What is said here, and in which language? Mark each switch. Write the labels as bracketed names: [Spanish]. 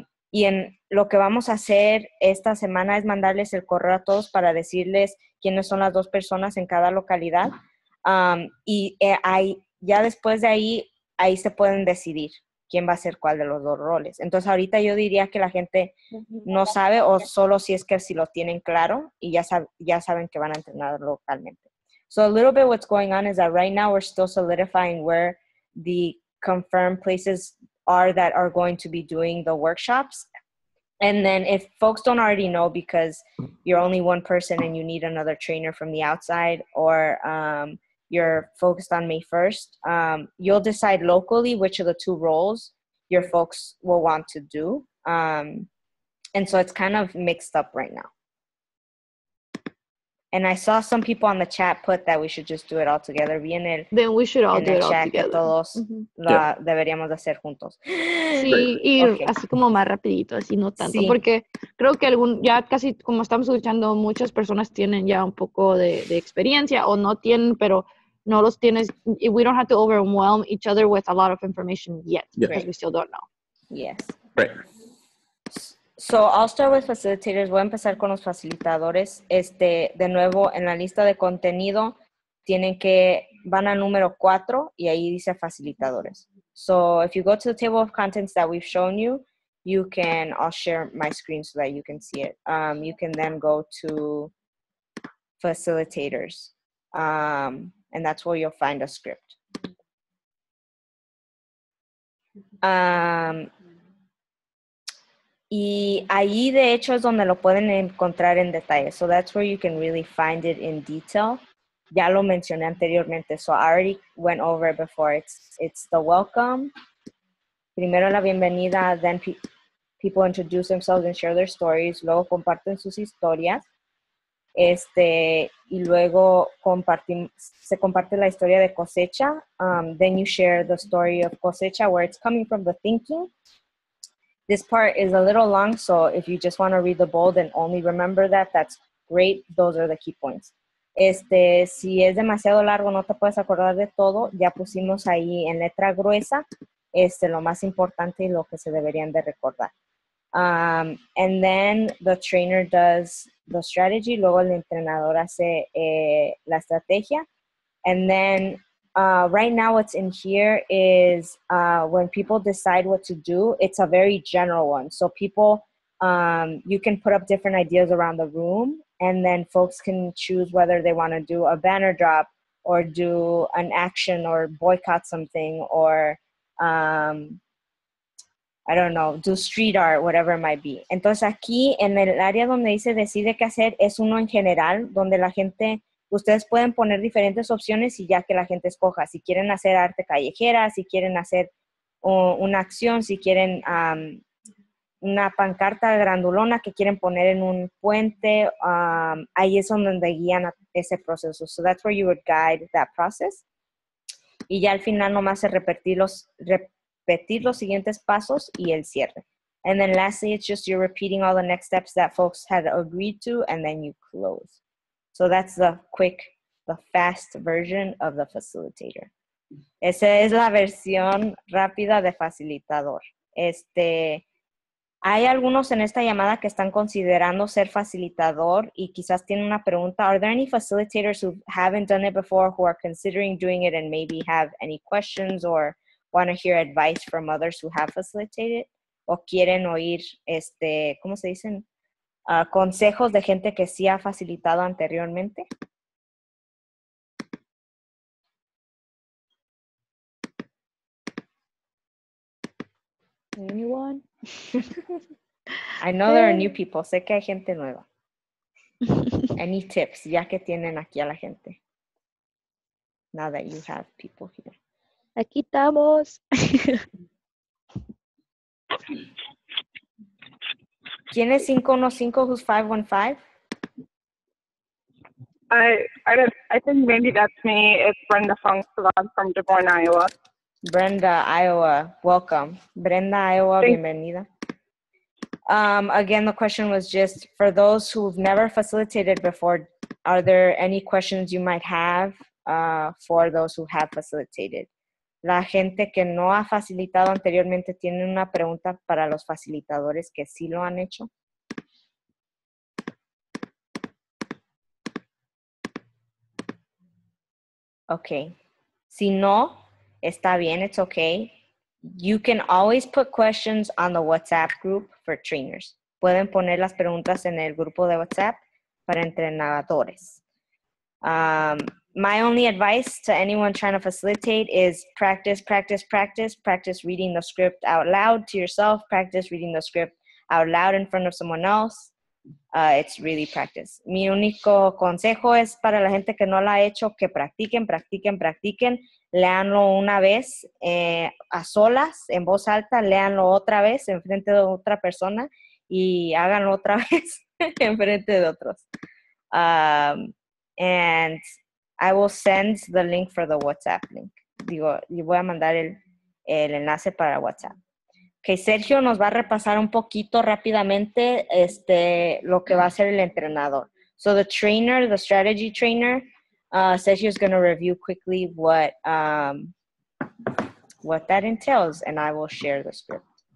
[Spanish] Y en lo que vamos a hacer esta semana es mandarles el correo a todos para decirles quiénes son las dos personas en cada localidad. Ya después de ahí se pueden decidir quién va a ser cuál de los dos roles. Entonces, ahorita yo diría que la gente no sabe, o solo si lo tienen claro y ya saben que van a entrenar localmente. [English] So a little bit what's going on is that right now we're still solidifying where the confirmed places are that are going to be doing the workshops. And then if folks don't already know because you're only one person and you need another trainer from the outside, or you're focused on May 1st, you'll decide locally which of the two roles your folks will want to do. And so it's kind of mixed up right now. And I saw some people on the chat put that we should just do it all together. Then we should all do it all together. [Spanish] Que todos deberíamos hacer juntos. Sí, y así como más rapidito, así no tanto. Sí. Porque creo que ya casi como estamos escuchando, muchas personas tienen ya un poco de experiencia o no tienen, pero no los tienes. [English] We don't have to overwhelm each other with a lot of information yet, because we still don't know. Yes. Right. So I'll start with facilitators. [Spanish] Voy a empezar con los facilitadores. De nuevo, en la lista de contenido, van al número 4 y ahí dice facilitadores. [English] So if you go to the table of contents that we've shown you, you can, I'll share my screen so that you can see it. You can then go to facilitators, and that's where you'll find a script. [Spanish] Y ahí de hecho es donde lo pueden encontrar en detalle. [English] So that's where you can really find it in detail. [Spanish] Ya lo mencioné anteriormente. [English] So I already went over it before. It's the welcome. [Spanish] Primero la bienvenida. [English] Then people introduce themselves and share their stories. [Spanish] Luego comparten sus historias. Y luego se comparte la historia de cosecha. [English] Then you share the story of cosecha, where it's coming from, the thinking. This part is a little long, so if you just want to read the bold and only remember that, that's great. Those are the key points. [Spanish] Si es demasiado largo, no te puedes acordar de todo. Ya pusimos ahí en letra gruesa lo más importante y lo que se deberían de recordar. [English] And then the trainer does the strategy. [Spanish] Luego el entrenador hace la estrategia. [English] And then right now what's in here is when people decide what to do, it's a very general one. So people, you can put up different ideas around the room, and then folks can choose whether they want to do a banner drop or do an action or boycott something or, I don't know, do street art, whatever it might be. [Spanish] Entonces aquí en el área donde dice decide qué hacer es uno en general donde la gente... Ustedes pueden poner diferentes opciones y ya que la gente escoja. Si quieren hacer arte callejera, si quieren hacer una acción, si quieren una pancarta grandulona que quieren poner en un puente, ahí es donde guían ese proceso. [English] So that's where you would guide that process. [Spanish] Y ya al final nomás es repetir los siguientes pasos y el cierre. [English] And then lastly, it's just you're repeating all the next steps that folks had agreed to and then you close. So that's the fast version of the facilitator. [Spanish] Esa es la versión rápida de facilitador. Hay algunos en esta llamada que están considerando ser facilitador y quizás tienen una pregunta. [English] Are there any facilitators who haven't done it before, who are considering doing it and maybe have any questions or want to hear advice from others who have facilitated? [Spanish] O quieren oír, ¿cómo se dicen? Consejos de gente que sí ha facilitado anteriormente. [English] Anyone? I know there are new people. [Spanish] Sé que hay gente nueva. [English] Any tips, [Spanish] ya que tienen aquí a la gente. [English] Now that you have people here. [Spanish] Aquí estamos. ¿Quién es 515? [English] Who's 515? I think maybe that's me. It's Brenda Fung, so I'm from Des Moines, Iowa. Brenda, Iowa. Welcome. Brenda, Iowa. Thanks. [Spanish] Bienvenida. [English] Again, the question was just, for those who've never facilitated before, are there any questions you might have for those who have facilitated? [Spanish] La gente que no ha facilitado anteriormente tiene una pregunta para los facilitadores que sí lo han hecho. [English] Okay. [Spanish] Si no, está bien, [English] it's okay. You can always put questions on the WhatsApp group for trainers. [Spanish] Pueden poner las preguntas en el grupo de WhatsApp para entrenadores. [English] My only advice to anyone trying to facilitate is practice, practice, practice, practice reading the script out loud to yourself, practice reading the script out loud in front of someone else. It's really practice. [Spanish] Mi único consejo es para la gente que no lo ha hecho, que practiquen, practiquen, practiquen. Leanlo una vez a solas, en voz alta, leanlo otra vez en frente de otra persona y háganlo otra vez en frente de otros. [English] And I will send the link for the WhatsApp link. [Spanish] Digo, yo voy a mandar el enlace para WhatsApp. Okay, Sergio nos va a repasar un poquito rápidamente lo que va a hacer el entrenador. [English] So the trainer, the strategy trainer, Sergio is going to review quickly what that entails, and I will share the script.